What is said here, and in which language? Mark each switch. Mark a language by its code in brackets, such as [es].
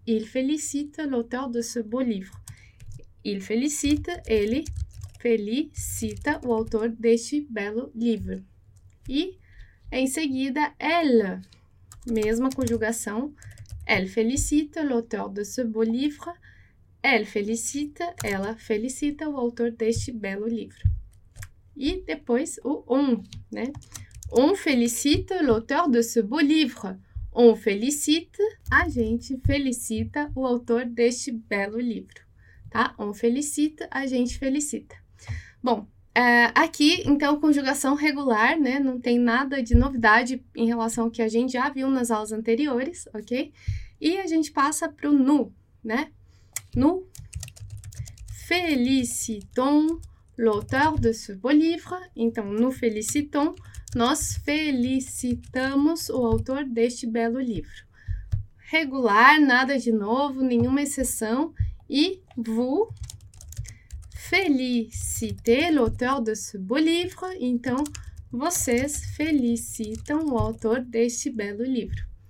[fr] Il félicite l'auteur de ce beau livre. Il félicite, [pt] ele félicita o autor deste belo livro. E em seguida, elle, mesma conjugação. [fr] Elle félicite l'auteur de ce beau livre. Elle félicite, [pt] ela félicita o autor deste belo livro. E depois o on, né? [fr] On félicite l'auteur de ce beau livre. On félicite, [pt] a gente félicita o autor deste belo livro, tá? [fr] On félicite, [pt] a gente félicita. Bom, aqui então conjugação regular, né? Não tem nada de novidade em relação ao que a gente já viu nas aulas anteriores, ok? E a gente passa para o nu, né? Nu. [fr] Félicitons l'auteur de ce beau livre. Então, nous félicitons. [pt] Nós felicitamos o autor deste belo livro. Regular, nada de novo, nenhuma exceção. [fr] E vous félicitez l'auteur de ce beau livre. [pt] Então, vocês felicitam o autor deste belo livro.